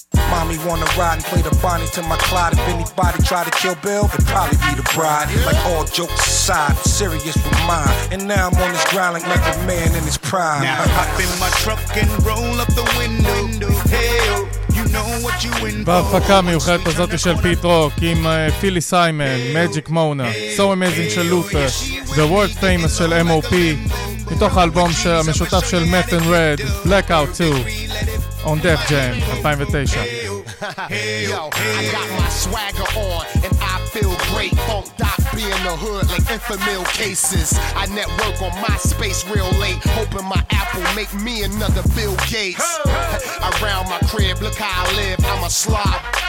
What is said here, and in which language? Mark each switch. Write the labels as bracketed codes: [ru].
[en] Mommy wanna ride and play the Bonnie to my Clyde. If anybody try to kill Bill, it'd probably be the bride. Like all jokes aside, I'm serious with mine. And now I'm on this grind like a man in his prime. Now hop in my truck and roll up the window. Hell, you know what you in for. [he] בהפקה מיוחדת הזאת של פיט רוק עם פילי סיימן, מג'יק מונה, So Amazing של לותר, The World Famous של M.O.P. מתוך האלבום המשותף של Meth & Red, Blackout 2. [en] On Def Jam, 2009. I got my swagger on, and I feel great. Funk Doc be in the hood like infamil cases. I network on MySpace real late, hoping my Apple make me another Bill Gates. Around my crib, look how I live, I'm a slob.